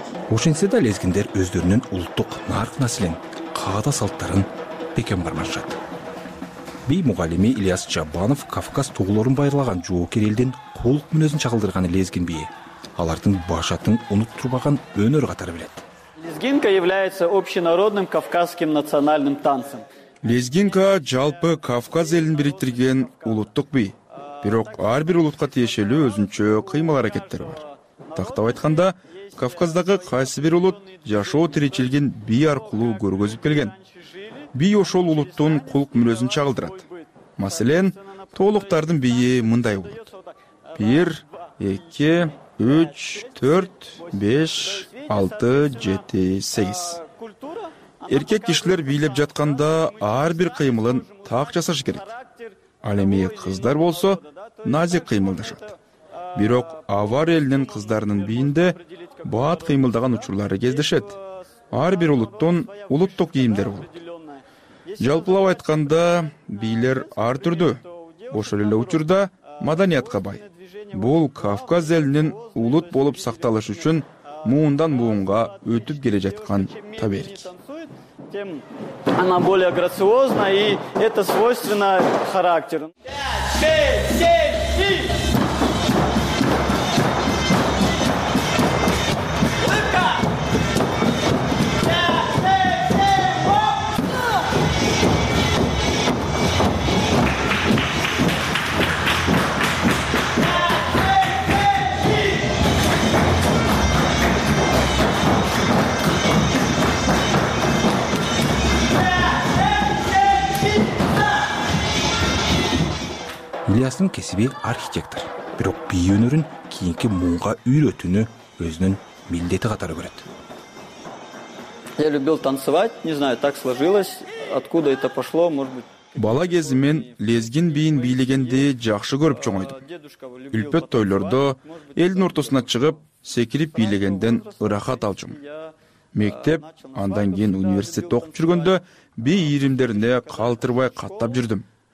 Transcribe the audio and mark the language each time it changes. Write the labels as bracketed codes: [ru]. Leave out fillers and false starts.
[ky] Ошентсе да лезгиндер өздөрүнүн улуттук нарк маселен, каада салттарын бекем бармашат. Бий мугалими Ильяс Чабанов Кавказ тууларын байырлаган жоокер элдин кулук мүнөзүн чагылдырган лезгин бийи. Алардын башатын унуттурбаган өнөр катары билет. [ru] Лезгинка является общенародным кавказским национальным танцем. [ky] Лезгинка жалпы Кавказ элин бириктирген улуттук бий. Бирок ар бир улутка тиешелүү өзүнчө кыймыл аракеттери бар. Тактап айтканда, Кавказдагы кайсы бир улут жашоо тиричилген бий аркылуу көргөзүп келген. Бий ошол улуттун кулук мүнөзүн чагылдырат. Маселен, тоолуктардын бийи мындай болот. 1, 2, 3, 4, 5, 6, 7, 8. Эркек кишилер бийлеп жатканда ар бир кыймылын так жасаш керек. Ал эми кыздар болсо назик кыймылдашат. Бирок авар элинин кыздарынын бийинде баат кыймылдаган учурлары кездешет. Ар бир улуттун улуттук кийимдери болот. Жалпылап айтканда, бийлер ар түрдүү. Ошол эле учурда маданиятка бай. Бул Кавказ элинин улут болуп сакталышы үчүн муундан муунга өтүп келе жаткан таберик. [ru] Тем она более грациозна и это свойственно характеру. [ky] Ильястын кесиби архитектор, бирок бий өнөрүн кийинки муунга үйрөтүүнү өзүнүн милдети катары көрөт. [ru] Я любил танцевать, не знаю, так сложилось, откуда это пошло, может быть. [ky] Бала кезимен лезгин бийин бийлегенди жакшы көрүп чоңойдум. Үлпөт тойлордо элдин ортосуна чыгып, секирип бийлегенден ырахат алчумун. Мектеп, андан кийин университетте окуп жүргөндө бий ийримдерине калтырбай каттап жүрдүм.